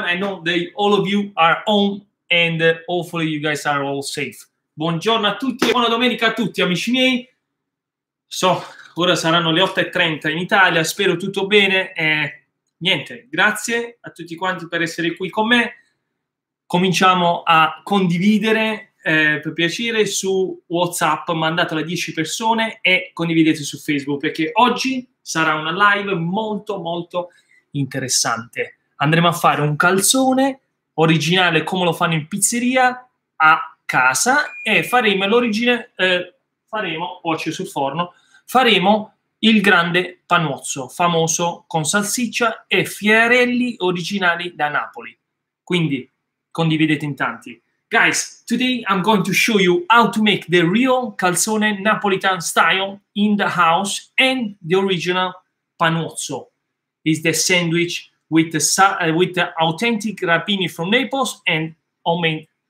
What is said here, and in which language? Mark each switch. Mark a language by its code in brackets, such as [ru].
[en] I know that all of you are home and hopefully you guys are all safe. [it] Buongiorno a tutti e buona domenica a tutti, amici miei. So, ora saranno le 8:30 in Italia, spero tutto bene. Niente, grazie a tutti quanti per essere qui con me. Cominciamo a condividere, per piacere, su WhatsApp, mandatela a 10 persone e condividete su Facebook, perché oggi sarà una live molto, molto interessante. Andremo a fare un calzone originale, come lo fanno in pizzeria, a casa, e faremo l'origine, faremo, occhio sul forno, faremo il grande panuozzo, famoso, con salsiccia e fiorelli originali da Napoli. Quindi, condividete in tanti. [en] Guys, today I'm going to show you how to make the real calzone Napolitan style in the house and the original panuozzo. It's the sandwich with the authentic rapini from Naples and homemade.